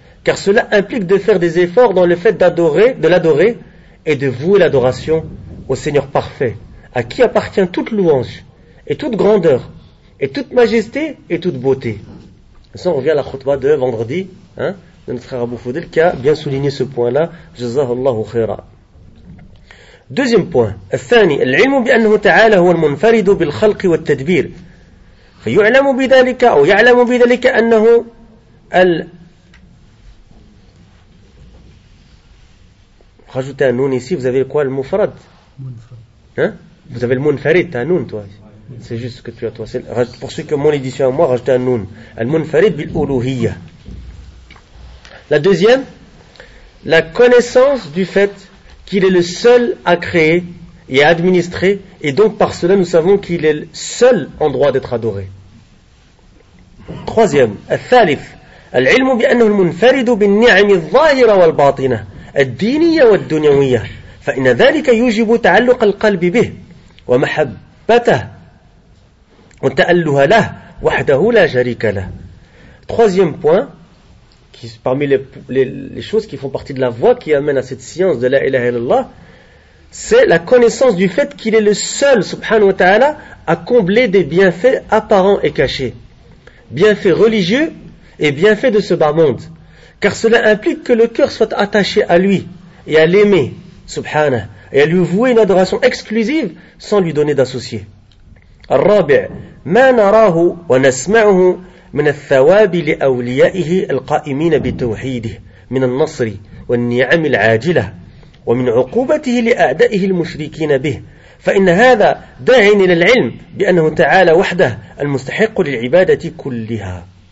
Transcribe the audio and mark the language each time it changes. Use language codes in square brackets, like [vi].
[fr] Car cela implique de faire des efforts dans le fait d'adorer, de l'adorer et de vouer l'adoration au Seigneur parfait, à qui appartient toute louange et toute grandeur et toute majesté et toute beauté. Et ça, on revient à la khutba de vendredi, hein, de notre frère Abou Foudil qui a bien souligné ce point-là. Jazakallahu khaira. Deuxième point. [ar] الثاني العلم بأنه تعالى هو المنفرد بالخلق والتدبير فيعلم بذلك أو يعلم بذلك أنه [fr] rajoutez un nun ici, vous avez quoi, le mufrad? Hein? Vous avez le munfarid, t'as un nun toi. C'est juste ce que tu as toi. C'est, pour ceux qui ont mon édition à moi, rajoutez un nun. [ar] Al munfarid bil uluhiyya. [fr] La deuxième, la connaissance du fait qu'il est le seul à créer et à administrer, et donc par cela nous savons qu'il est le seul en droit d'être adoré. [ar] Troisième, al thalif, al ilmu bi annahu al munfaridu bin ni'ami al-zahira wal batina. الدينية والدنيوية فإن ذلك يجب تعلق القلب به ومحبته وتأله له وحده لا شريك له. [fr] Troisième point, qui parmi les choses qui font partie de la voie qui amène à cette science de la ilaha illallah, c'est la connaissance du fait qu'il est le seul subhanahu wa ta'ala à combler des bienfaits apparents et cachés, bienfaits religieux et bienfaits de ce bas monde. Car cela implique que le cœur soit attaché à lui et à l'aimer, subhanah, et à lui vouer une adoration exclusive sans lui donner d'associé. [ar] الرابع ما نراه ونسمعه من الثواب لأوليائه القائمين بتوحيده من النصر والنعم العاجلة ومن عقوبته لأعدائه المشركين به فإن هذا داع إلى العلم بأنه تعالى وحده المستحق للعبادة كلها.